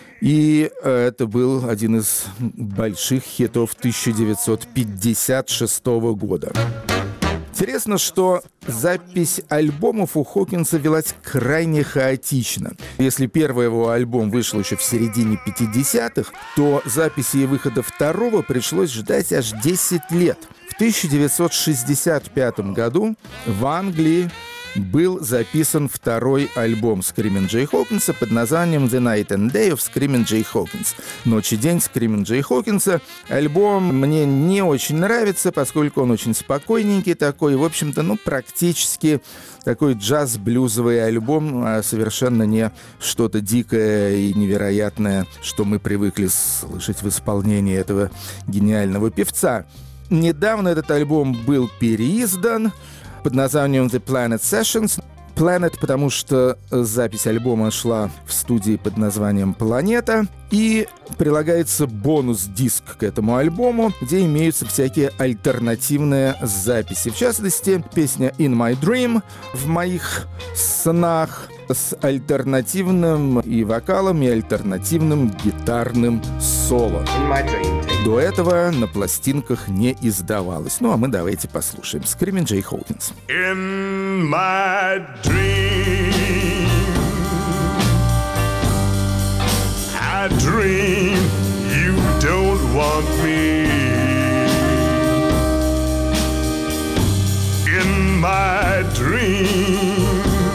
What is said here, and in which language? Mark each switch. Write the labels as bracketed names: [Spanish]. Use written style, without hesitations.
[Russian] И это был один из больших хитов 1956 года. Интересно, что запись альбомов у Хокинса велась крайне хаотично. Если первый его альбом вышел еще в середине 50-х, то записи и выхода второго пришлось ждать аж 10 лет. В 1965 году в Англии был записан второй альбом Screamin' Jay Hawkins под названием «The Night and Day of Screamin' Jay Hawkins». «Ночь и день Screamin' Jay Hawkins». Альбом мне не очень нравится, поскольку он очень спокойненький такой. В общем-то, ну, практически такой джаз-блюзовый альбом, а совершенно не что-то дикое и невероятное, что мы привыкли слышать в исполнении этого гениального певца. Недавно этот альбом был переиздан под названием «The Planet Sessions». «Planet», потому что запись альбома шла в студии под названием «Планета». И прилагается бонус-диск к этому альбому, где имеются всякие альтернативные записи. В частности, песня «In My Dream» — «В моих снах» с альтернативным и вокалом, и альтернативным гитарным соло. До этого на пластинках не издавалось. Ну, а мы давайте послушаем. Screamin' Jay Hawkins. [English] In my dream, I dream you don't want me. In my dream,